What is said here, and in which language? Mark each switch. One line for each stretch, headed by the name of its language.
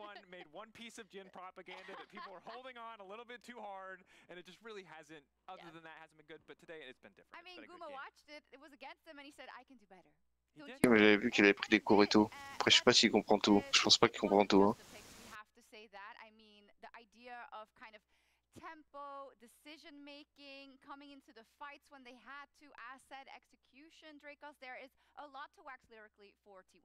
English: Made one piece of Jin propaganda that people were holding on a little bit too hard, and it just really hasn't, other than that, hasn't been good. But today it's been different. I mean, Guma watched it, it was against him, and he said, I can do better.
French: J'avais vu qu'il avait pris des cours et tout. Après, je sais pas s'il comprend tout. Je pense pas qu'il comprend tout.
English: You have to say that. I mean, the idea of kind of tempo, decision making, coming into the fights when they had to, asset execution, Dracos, there is a lot to wax lyrically for T1.